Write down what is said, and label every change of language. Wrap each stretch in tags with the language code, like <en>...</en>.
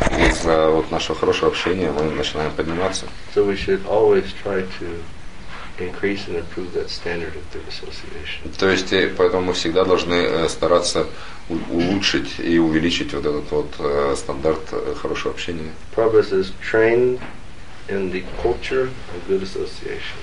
<ru>из-за вот нашего хорошего общения мы начинаем подниматься.</ru> <en>So we should always try to increase and improve that standard of good association.</en> <ru>То есть поэтому мы всегда должны стараться улучшить и увеличить вот этот вот стандарт хорошего общения.</ru> <en>Prabhupada says, train in the culture of good association.</en>